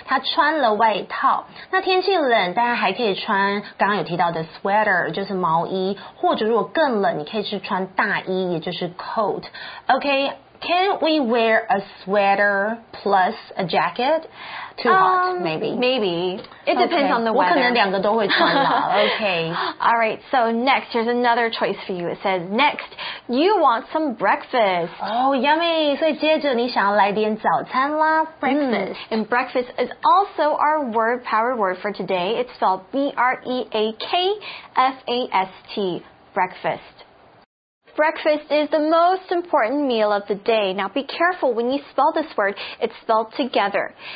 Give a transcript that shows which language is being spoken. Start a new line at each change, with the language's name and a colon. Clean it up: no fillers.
Chinese: 她穿了外套那天气冷大家还可以穿刚刚有提到的 sweater 就是毛衣或者如果更冷你可以去穿大衣也就是 coat OK,
English: can we wear a sweater plus a jacket? Too hot, maybe. It depends on the weather.
Chinese: 我可能两个都会穿啦 okay.
English: All right, so next, here's another choice for you. It says, next, you want some breakfast. Oh, yummy.
Chinese: 所以接着你想要来点早餐啦
English: Breakfast.、Mm, and breakfast is also our word, power word for today. It's spelled B-R-E-A-K-F-A-S-T, breakfast. Breakfast is the most important meal of the day. Now be careful when you spell this word, it's spelled together.